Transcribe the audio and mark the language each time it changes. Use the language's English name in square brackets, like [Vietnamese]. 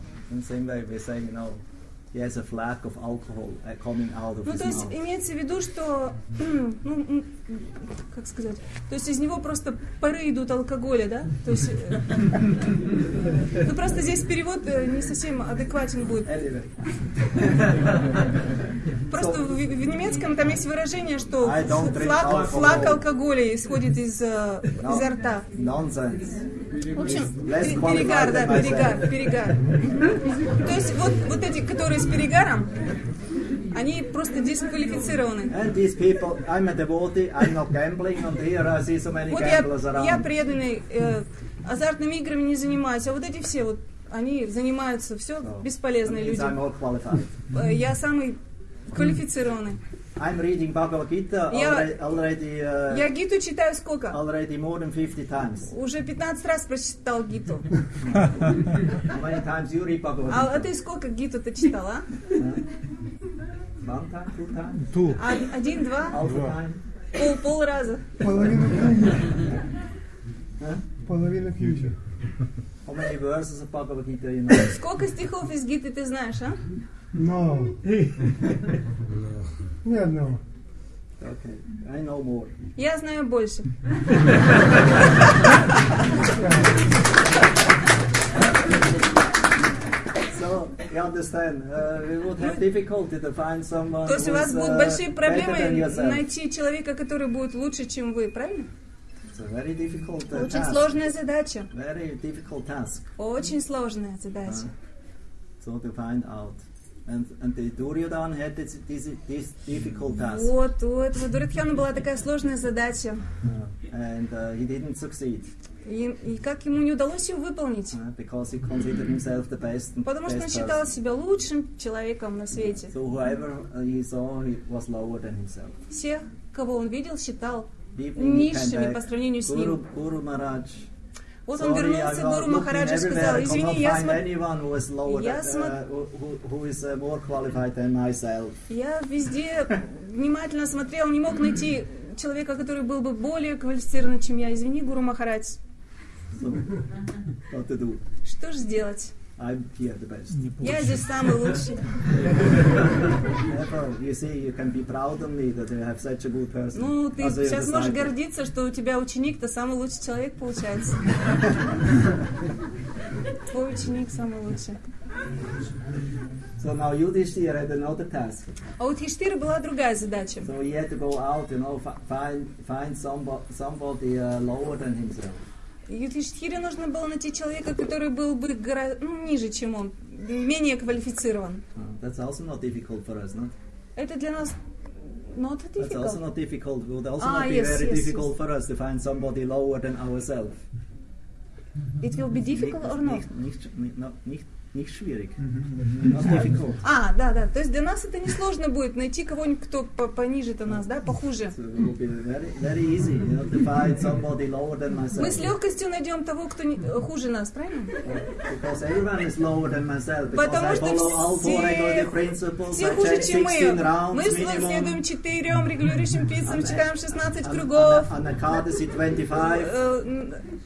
[English] In the same way, we're saying, you know, he has a flag of alcohol coming out of his mouth. [Russian] Ну, то есть, имеется в виду, что, ну, как сказать, то есть из него просто пары идут алкоголя, да? То есть, ну, просто здесь перевод не совсем адекватен будет. Просто в немецком там есть выражение, что флаг алкоголя исходит изо рта. [English] Nonsense. [Russian] В общем, перегар, да, перегар. То есть вот эти, которые с перегаром, они просто дисквалифицированы. [English] And these people, I'm a devotee, I'm not gambling, and here I see so many [Russian] вот [English] gamblers around. [Russian] Я преданный, азартными играми не занимаюсь, а вот эти все, вот они занимаются, все so, бесполезные люди. [English] I'm all qualified. [Russian] Я самый квалифицированный. [English] I'm reading Bhagavad Gita already. [Russian] Я Гиту читаю сколько? [English] Already more than 50 times. [Russian] Уже 15 раз прочитал Гиту. [English] How many times you read Bhagavad Gita? [Russian] А ты сколько Гиту ты читал, а? [English] One time, two times. Two. [Russian] Один, два. [English] Half time. [Russian] Пол раза. Половина книги. Половина книги. [English] How many verses of Bhagavad Gita you know? [Russian] Сколько стихов из Гиты ты знаешь, а? [English] No. [Russian] Нет, no. [English] Okay, I know more. [Russian] Я знаю больше. [English] So, you understand, we would have difficulty to find someone who is better than yourself. [Russian] То есть у вас будут большие проблемы найти человека, который будет лучше, чем вы, правильно? [English] It's a very difficult task. [Russian] Очень сложная задача. [English] Very difficult task. [Russian] Очень сложная задача. [English] So to find out. And the Duryodhana had this difficult task. [Russian] Вот у этого Дурьотхёна была такая сложная задача. [English] And he didn't succeed. [Russian] И как ему не удалось ее выполнить? [English] Because he considered himself the best, [Russian] потому что он считал себя лучшим человеком на свете. [English] So whoever he saw, he was lower than himself. [Russian] Всех, кого он видел, считал низшими по сравнению с ним. Гуру Махарадж. Вот он вернулся, Гуру Махарадж сказал, извини, я везде внимательно смотрел, не мог найти человека, который был бы более квалифицирован, чем я. Извини, Гуру Махарадж. [English] So, [Russian] что же сделать? [English] I'm here the best. [Russian] Я здесь самый лучший. [English] You see, you can be proud of me that you have such a good person. [Russian] Ну, ты сейчас можешь гордиться, что у тебя ученик-то самый лучший человек получается. Твой ученик самый лучший. [English] So now Yudhishthir had another task. [Russian] А у Юдиштира была другая задача. [English] So he had to go out, you know, find somebody lower than himself. [Russian] Юдхиштхире нужно было найти человека, который был бы ниже, чем он, менее квалифицирован. [English] That's also not difficult for us, no? [Russian] Это для нас [English] not difficult. That's also not difficult. It would also not be very difficult for us to find somebody lower than ourselves. It will be difficult or not? [German] Nicht schwierig. [English] Not difficult. [Russian] А, да, да. То есть для нас это не сложно будет найти кого-нибудь, кто пониже-то нас, да, похуже. [English] Very easy, you know, to find somebody lower than myself. [Russian] Мы с легкостью найдем того, кто хуже нас, правильно? [English] Because everyone is lower than myself. [Russian] Потому что все хуже, чем мы. Мы следуем 4 регулирующим принципам, читаем 16 кругов. Анакадаси 25.